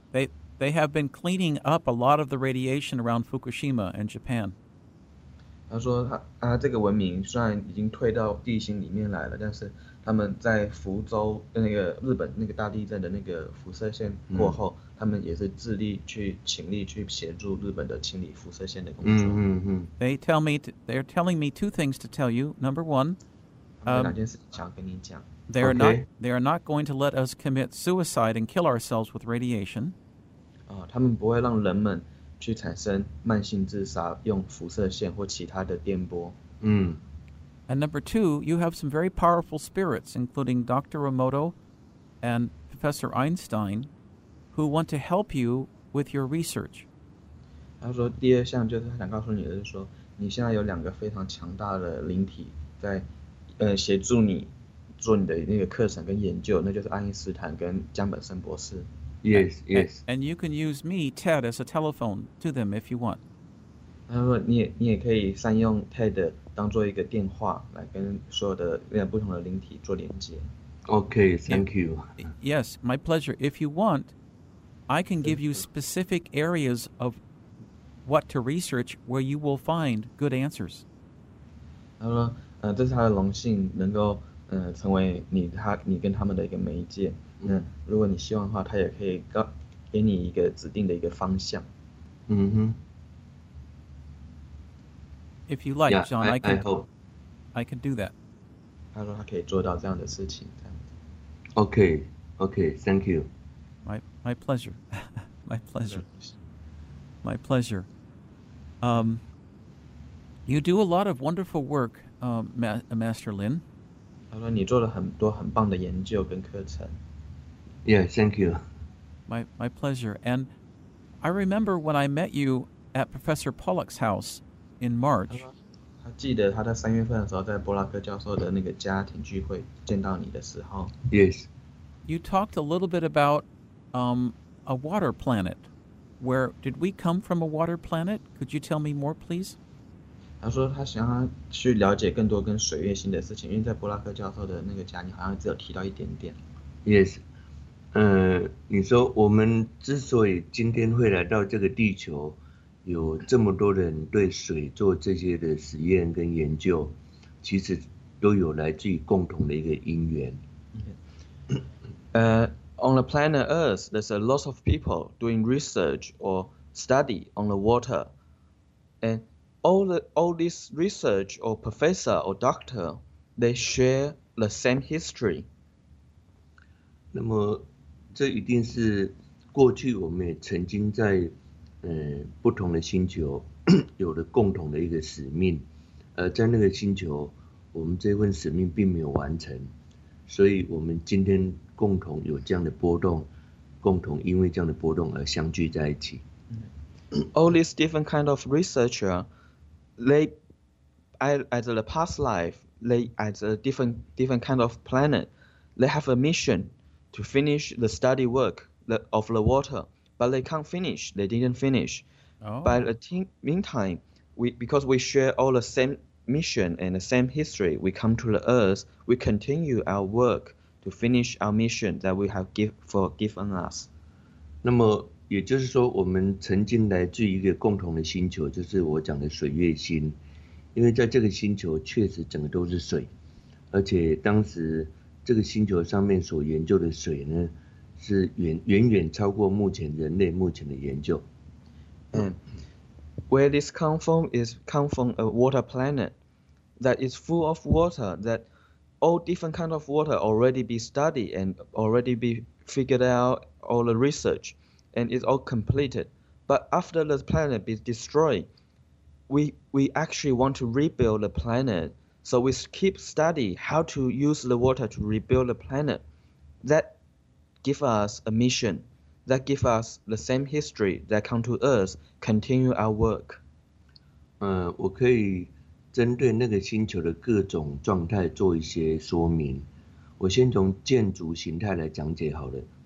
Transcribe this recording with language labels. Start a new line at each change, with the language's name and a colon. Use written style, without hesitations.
English: They have been cleaning up a lot of the radiation around Fukushima and Japan.
Chinese: 他说他这个文明虽然已经退到地心里面来了，但是他们在福州那个日本那个大地震的那个辐射线过后，他们也是致力去倾力去协助日本的清理辐射线的工作。
English: They're telling me two things to tell you. Number one,
Chinese: 哪件事想跟你讲
English: ？They are not going to let us commit suicide and kill ourselves with radiation.
Chinese: 他们不会让人们去产生慢性自杀，用辐射线或其他的电波。
English: And number two, you have some very powerful spirits, including Dr. Emoto and Professor Einstein, who want to help you with your research.
Chinese: 他说第二项就是想告诉你的是说，你现在有两个非常强大的灵体在，协助你做你的那个课程跟研究，那就是爱因斯坦跟江本森博士。
English: Yes, yes. And you can use me, Ted, as a telephone to them if you want.
Chinese: 他说你也可以善用 Ted 当做一个电话来跟所有的不同的灵体做连接。
English: Okay, thank you. Yes, my pleasure. If you want, I can give you specific areas of what to research where you will find good answers.
Chinese: 他说这是他的荣幸能够成为你他你跟他们的一个媒介。嗯，如果你希望的话，他也可以给你一个指定的一个方向。嗯哼。
English: If you like, yeah, John, I can hope. I can do that.
Chinese: 他说他可以做到这样的事情。
English: Okay, okay, thank you. My pleasure. My pleasure. My pleasure. You do a lot of wonderful work, Master Lin.
Chinese: 他说你做了很多很棒的研究跟课程。
English: Yeah, thank you. My pleasure. And I remember when I met you at Professor Pollock's house in March.
Chinese: 他记得他在三月份的时候在波拉克教授的那个家庭聚会见到你的时候。
English: Yes. You talked a little bit about a water planet. Where did we come from, a water planet? Could you tell me more, please?
Chinese: 他说他想要去了解更多跟水月星的事情，因为在波拉克教授的那个家，你好像只有提到一点点。 Yes， 你说我们之所以今天会来到这个地球，有这么多人对水做这些的实验跟研究，其实都有来自于共同的一个因缘。
English: On the planet Earth, there's a lot of people doing research or study on the water, and All this research or professor or doctor, they share the same history.
Chinese: 那么这一定是过去我们也曾经在不同的星球有了共同的一个使命，而在那个星球我们这份使命并没有完成，所以我们今天共同有这样的波动，共同因为这样的波动而相聚在一起。
English: All these different kind of researcher,They, as a past life, they as a different kind of planet, they have a mission to finish the study work of the water, but they can't finish. They didn't finish. Oh. But in the meantime, because we share all the same mission and the same history, we come to the Earth, we continue our work to finish our mission that we have given us.
Chinese: 那么也就是说，我们曾经来自一个共同的星球，就是我讲的水月星。因为在这个星球确实整个都是水，而且当时这个星球上面所研究的水呢，是远远超过目前人类目前的研究。
English: Where this come from is come from a water planet that is full of water. That all different kind of water already be studied and already be figured out all the research. And it's all completed. But after the planet is destroyed, we actually want to rebuild the planet. So we keep study how to use the water to rebuild the planet. That give us a mission. That give us the same history that come to Earth, continue our work.
Chinese: 我可以针对那个星球的各种状态做一些说明。我先从建筑形态来讲解好了。